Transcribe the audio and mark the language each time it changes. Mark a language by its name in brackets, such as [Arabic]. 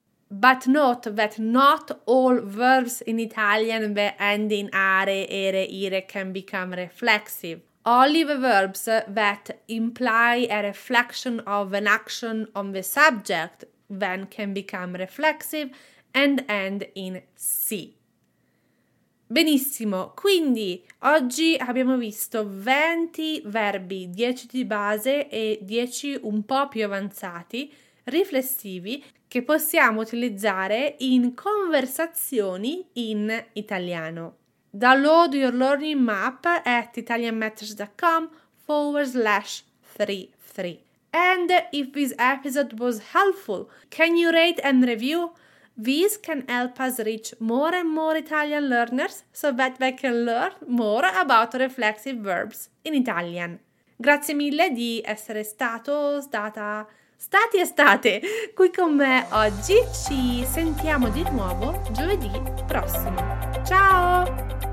[English] But note that not all verbs in Italian that end in are, ere, ire can become reflexive. Only the verbs that imply a reflection of an action on the subject then can become reflexive and end in si. [Italian] Benissimo, quindi oggi abbiamo visto 20 verbi, 10 di base e 10 un po' più avanzati, riflessivi, che possiamo utilizzare in conversazioni in italiano. [English] Download your learning map at italianmatters.com/33. And if this episode was helpful, can you rate and review? This can help us reach more and more Italian learners so that they can learn more about reflexive verbs in Italian. [Italian] Grazie mille di essere stato, stata, stati e state qui con me oggi. Ci sentiamo di nuovo giovedì prossimo. Ciao!